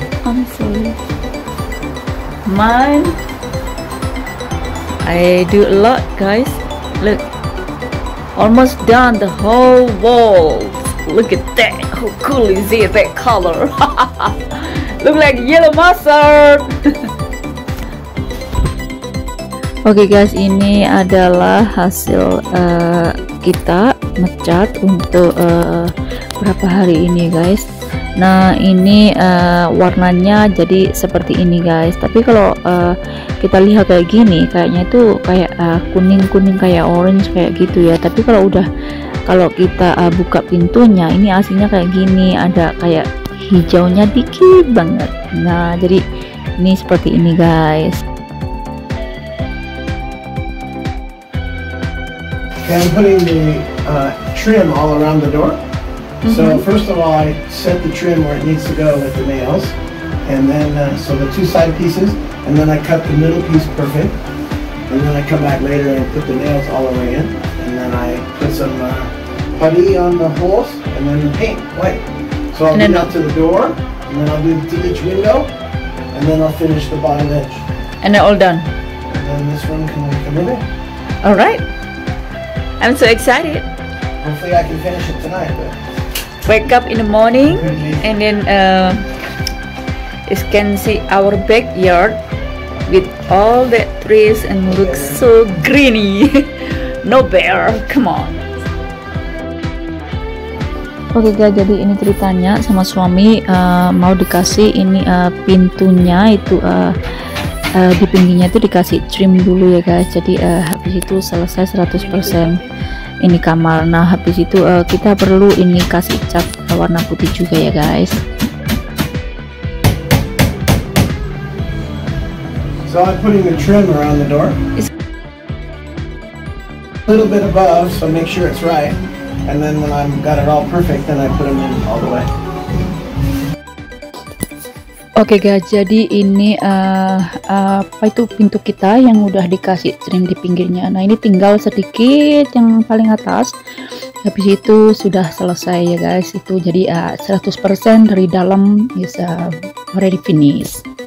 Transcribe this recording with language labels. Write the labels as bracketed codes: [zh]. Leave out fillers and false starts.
[en] I'm sorry. mine. I do a lot, guys. Look, almost done the whole wall. Look at that. How cool is it? That color. Look like yellow mustard. [id] Okay, guys, ini adalah hasil kita mecat untuk berapa hari ini, guys. Nah, ini warnanya jadi seperti ini, guys. Tapi kalau kita lihat kayak gini, kayaknya itu kayak kuning-kuning, kayak orange, kayak gitu ya. Tapi kalau udah, kalau kita buka pintunya, ini aslinya kayak gini, ada kayak hijaunya dikit banget. Nah, jadi ini seperti ini, guys. [en] And putting the trim all around the door. So first of all, I set the trim where it needs to go with the nails, and then so the two side pieces, and then I cut the middle piece perfect, and then I come back later and put the nails all the way in, and then I put some putty on the holes, and then the paint white. So I'll do that to the door, and then I'll do each window, and then I'll finish the bottom edge. And they're all done. And then this one can come in. All right. I'm so excited. Hopefully I can finish it tonight. But wake up in the morning and then you can see our backyard with all the trees and looks so greeny. No bear, come on. [id] Oke, guys, jadi ini ceritanya sama suami mau dikasih ini pintunya itu di pinggirnya itu dikasih trim dulu ya, guys. Jadi habis itu selesai 100% ini kamar. Nah, habis itu kita perlu ini kasih cat warna putih juga ya, guys. [en] So I'm putting the trim around the door. A little bit above, so make sure it's right. And then when I've got it all perfect, then I put them in all the way. [id] Oke, okay, guys, jadi ini apa itu pintu kita yang udah dikasih trim di pinggirnya. Nah, ini tinggal sedikit yang paling atas. Habis itu sudah selesai ya, guys. Itu jadi 100% dari dalam bisa ready finish.